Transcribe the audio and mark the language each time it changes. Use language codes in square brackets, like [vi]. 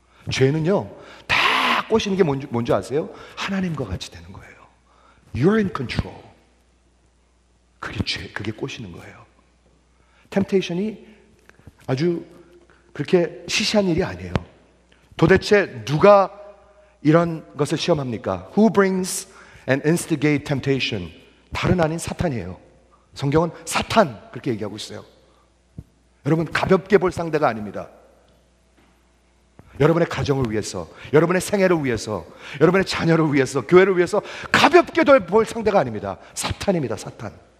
[ko] 죄는요 다 꼬시는 게 뭔지 아세요? 하나님과 같이 되는 거예요. [en] You're in control. [ko] 그게 죄, 그게 꼬시는 거예요. Temptation이 아주 그렇게 시시한 일이 아니에요. 도대체 누가 이런 것을 시험합니까? [en] Who brings and instigate temptation? [ko] 다른 아닌 사탄이에요. 성경은 사탄 그렇게 얘기하고 있어요. 여러분 가볍게 볼 상대가 아닙니다. 여러분의 가정을 위해서, 여러분의 생애를 위해서, 여러분의 자녀를 위해서, 교회를 위해서 가볍게 볼 상대가 아닙니다. 사탄입니다. 사탄.